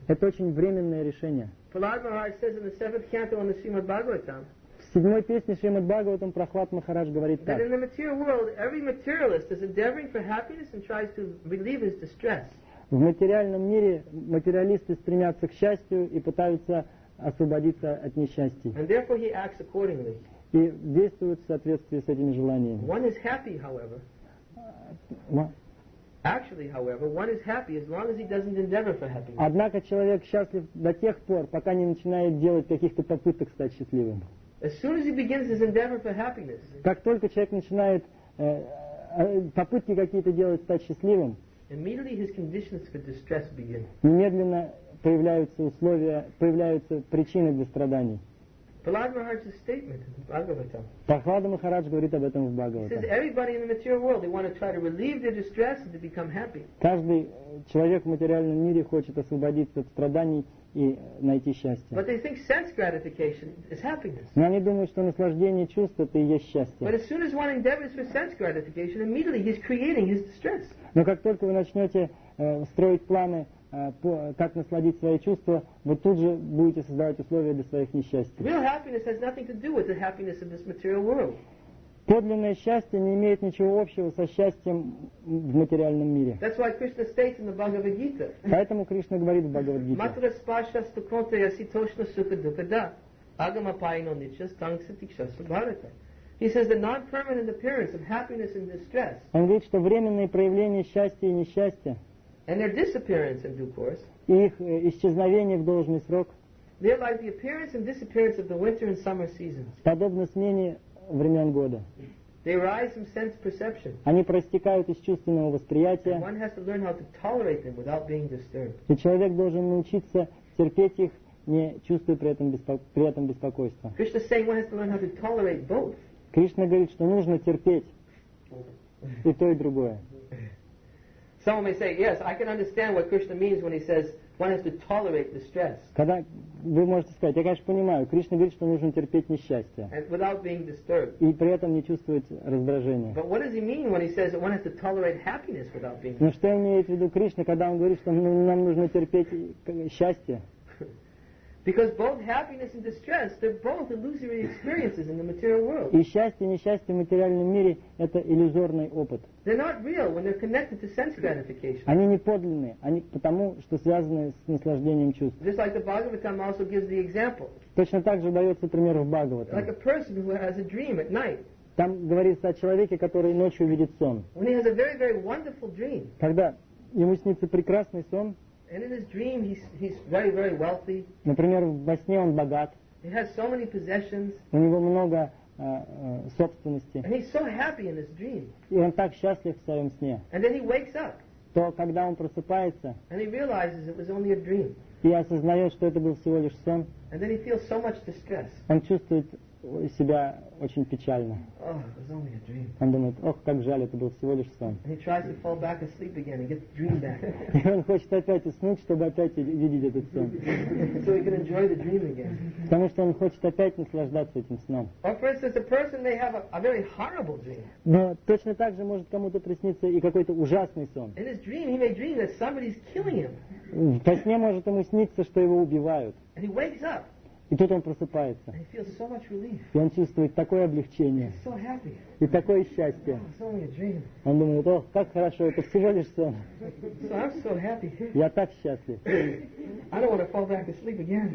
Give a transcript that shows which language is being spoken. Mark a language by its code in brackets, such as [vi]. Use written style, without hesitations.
[ru] Это очень временное решение. [en] Prahlad Maharaj says in the seventh canto on the Srimad Bhagavatam. [ru] В седьмой песне Шримад Бхагаватам Прохлад Махарадж говорит так. [en] That in the material world, every materialist is endeavoring for happiness and tries to relieve his distress. [ru] В материальном мире материалисты стремятся к счастью и пытаются освободиться от несчастий. [en] And therefore he acts accordingly. И действуют в соответствии с этими желаниями. One is happy, however. Actually, however, one is happy as long as he doesn't endeavor for happiness. [ru] Однако человек счастлив до тех пор, пока не начинает делать каких-то попыток стать счастливым. [en] As soon as he begins his endeavor for happiness. [ru] Как только человек начинает попытки какие-то делать стать счастливым, [en] immediately his conditions for distress begin. [ru] Немедленно появляются условия, появляются причины для страданий. [en] Prahlad Maharaj's statement in Bhagavatam. [ru] Prahlad Maharaj говорит об этом в Бхагаватам. [en] He says everybody in the material world they want to try to relieve their distress and to become happy. [ru] Каждый человек в материальном мире хочет освободиться от страданий и найти счастье. [en] But they think sense gratification is happiness. [ru] Но они думают, что наслаждение чувств это и есть счастье. [en] But as soon as one endeavors for sense gratification, immediately he's creating his distress. [ru] Но как только вы начнете строить планы, как насладить свои чувства, вы тут же будете создавать условия для своих несчастий. [en] Real happiness has nothing to do with the happiness of this material world. [ru] Подлинное счастье не имеет ничего общего со счастьем в материальном мире. [en] That's why Krishna states in the Bhagavad Gita. [ru] Поэтому Кришна говорит в Бхагавад-гите. [sa] Matra spasha stukonte yasitoshna sukha dukha da agama paino nichas tangsitikshasa bharata. [en] He says the non-permanent appearance of happiness and distress. [ru] Он говорит, что временные проявления счастья и несчастья [en] and their disappearance in due course. [ru] Их исчезновение в должный срок. [en] They're like the appearance and disappearance of the winter and summer seasons. [ru] Подобно смене времен года. [en] They arise from sense perception. [ru] Они проистекают из чувственного восприятия. [en] And one has to learn how to tolerate them without being disturbed. [ru] И человек должен научиться терпеть их, не чувствуя при этом беспокойства. [en] Krishna is saying one has to learn how to tolerate both. [ru] Кришна говорит, что нужно терпеть и то, и другое. [en] Some may say, yes, I can understand what Krishna means when he says one has to tolerate the stress. [ru] Когда вы можете сказать, я, конечно, понимаю, Кришна говорит, что нужно терпеть несчастье. [en] And without being disturbed. [ru] И при этом не чувствовать раздражения. [en] But what does he mean when he says that one has to tolerate happiness without being disturbed? [ru] Но что имеет в виду Кришна, когда он говорит, что нам нужно терпеть счастье? [en] Because both happiness and distress, they're both illusory experiences in the material world. [ru] И счастье, несчастье в материальном мире – это иллюзорный опыт. [en] They're not real when they're connected to sense gratification. [ru] Они не подлинные, они потому, что связаны с наслаждением чувств. [en] Just like the Bhagavatam also gives the example. [ru] Точно так же дается пример в Бхагаватам. [en] Like a person who has a dream at night. [ru] Там говорится о человеке, который ночью видит сон. [en] When he has a very, very wonderful dream. [ru] Когда ему снится прекрасный сон. [en] And in his dream, he's very, very wealthy. [ru] Например, во сне он богат. [en] He has so many possessions. [ru] У него много собственности. [en] And he's so happy in his dream. [ru] И он так счастлив в своем сне. [en] And then he wakes up. [ru] То, когда он просыпается. [en] And he realizes it was only a dream. [ru] И осознает, что это был всего лишь сон. [en] And then he feels so much distress. [ru] Он чувствует себя очень печально. [en] Oh, it was only a dream. [ru] Он думает, ох, как жаль, это был всего лишь сон. [en] And he tries to fall back asleep again and get the dream back. [ru] И он хочет опять уснуть, чтобы опять видеть этот сон. [en] So he can enjoy the dream again. [ru] Потому что он хочет опять наслаждаться этим сном. [en] Or for instance, a person may have a very horrible dream. [ru] Но точно так же может кому-то присниться и какой-то ужасный сон. [en] In his dream, he may dream that somebody's killing him. [ru] Во сне может ему сниться, что его убивают. [en] And he wakes up. [ru] И тут он просыпается. [en] And he feels so much relief. [ru] И он чувствует такое облегчение. [en] So happy. [ru] И такое счастье. [en] Oh, it's only a dream. [ru] Он думает, ох, как хорошо, это всего лишь сон. [en] So I'm so happy. [ru] Я так счастлив. [en] I don't want to fall back asleep again.